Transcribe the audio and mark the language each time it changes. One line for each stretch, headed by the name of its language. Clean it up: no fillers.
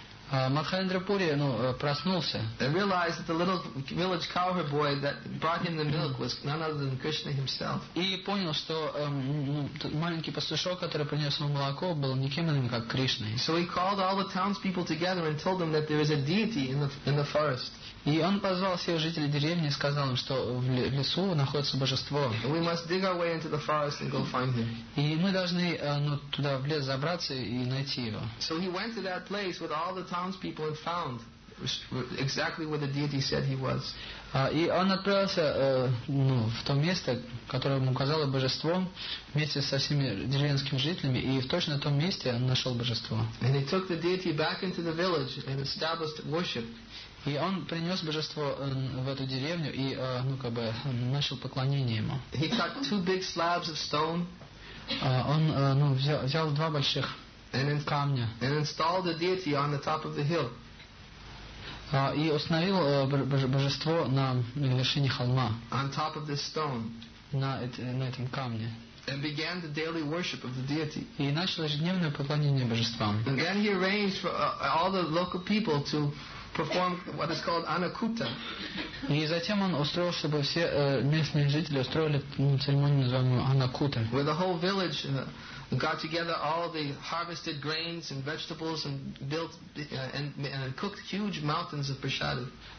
Russian: Мадхавендрапури, ну, проснулся.
English: And realized that the little village cowherd boy that brought him the milk was none other than Krishna himself.
Russian: И понял, что маленький пастушок, который принес ему молоко, был никем иным, как Кришной.
English: So he called all the townspeople together and told them that there is a deity in the forest.
Russian: И он позвал всех жителей деревни и сказал им, что в лесу находится божество.
English: We must dig our way into the forest and go find him.
Russian: И мы должны туда в лес забраться и найти его.
English: So he went to that place with all the townspeople and found exactly where the deity said he was.
Russian: И он отправился в то место, которое ему указало божество, вместе со всеми деревенскими жителями, и в точно том месте он нашел божество.
English: And he took the deity back into the village and established worship.
Russian: И он принес божество в эту деревню и начал поклонение ему.
English: He cut two big slabs of stone.
Russian: Он взял два больших камня.
English: And installed the deity on the top of the hill.
Russian: И установил божество на вершине холма.
English: On top of this stone.
Russian: На этом камне.
English: And began the daily worship of the deity.
Russian: И начал ежедневное поклонение божествам.
English: And then he arranged for all the local people to perform what is called anakuta.
Russian: И затем он устроил, чтобы все местные жители устроили церемонию, называемую анакута.
English: Where the whole village got together all the harvested grains and vegetables and built and cooked huge mountains of prasadam.